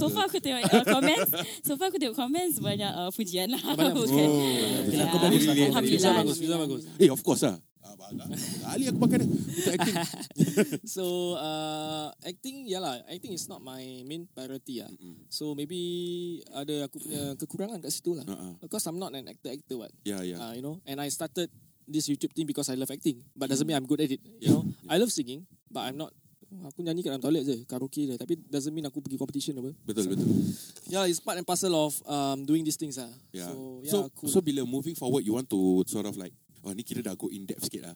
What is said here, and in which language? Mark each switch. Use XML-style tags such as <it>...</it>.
<ms>So far aku tengok comments. So far aku tengok comments banyak pujian lah. Banyak pujian. Alhamdulillah. Filsa bagus. Eh,</ms> <en>of course</en> <ms>lah. Ali aku makan dia.</ms> <en>So acting is not my main priority lah. So maybe</en> <ms>ada aku punya kekurangan kat situ lah.</ms> <en>Because I'm not an actor what. Yeah. You know, and I started this YouTube thing because I love acting, but doesn't mean I'm good at it. You know, I love singing, but I'm not.</en> <ms>Aku nyanyi kat dalam toilet je, karaoke je. Tapi</ms> <en>doesn't mean</en> <ms>aku pergi competition apa. Betul.</ms> <en>Yeah, it's part and parcel of doing these things lah. So</en> <ms>bila</ms> <en>moving forward, you want to sort of like, oh,</en> <ms>ni kita dah</ms> <en>go in-depth</en> <ms>sikit lah.</ms>